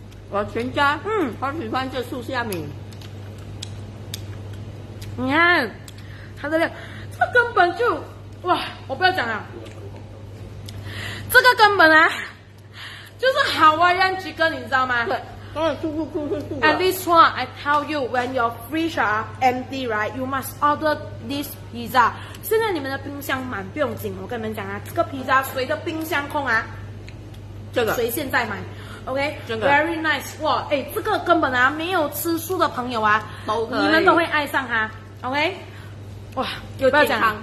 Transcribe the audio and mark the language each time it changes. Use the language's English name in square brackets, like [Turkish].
[Chinese] 我全家好喜欢这素虾米，你看它的料，这个根本就哇，我不要讲了，这个根本啊就是好啊，让几个你知道吗？对，当然舒服舒服舒服。 [English] At this one, I tell you, when your fridge are empty, right? You must order this pizza. [Chinese] 现在你们的冰箱满不用紧，我跟你们讲啊，这个披萨随着冰箱空啊，这个随现在买。 OK， very nice， 哇，哎，这个根本啊，没有吃素的朋友啊，你们都会爱上它。 OK， 哇，有健康，讲